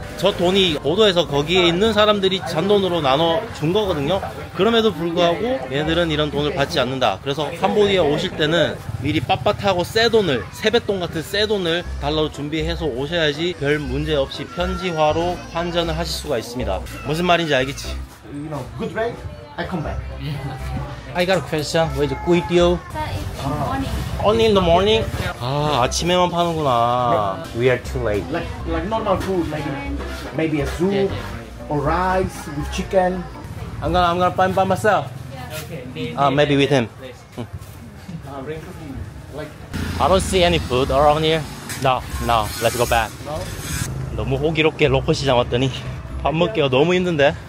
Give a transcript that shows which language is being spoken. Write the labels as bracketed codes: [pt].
[ko] 저 돈이 고도에서 거기에 있는 사람들이 잔돈으로 나눠준 거거든요. 그럼에도 불구하고 얘들은 이런 돈을 받지 않는다. 그래서 캄보디아 오실 때는 미리 빳빳하고 새돈을 세뱃돈 같은 새돈을 달러로 준비해서 오셔야지 별 문제 없이 현지화로 환전을 하실 수가 있습니다. 무슨 말인지 알겠지? [en] You know, good rate, I come back. I got a question. Where's the quid deal? Only in the morning? [ko] 아, 아침에만 파는구나. [en] We are too late. Like normal food, like maybe a soup or rice with chicken. I'm gonna find by myself. Okay. Maybe with him. I don't see any food around here. No. Let's go back. [ko] 너무 호기롭게 로컬 시장 왔더니 밥 먹기가 너무 힘든데.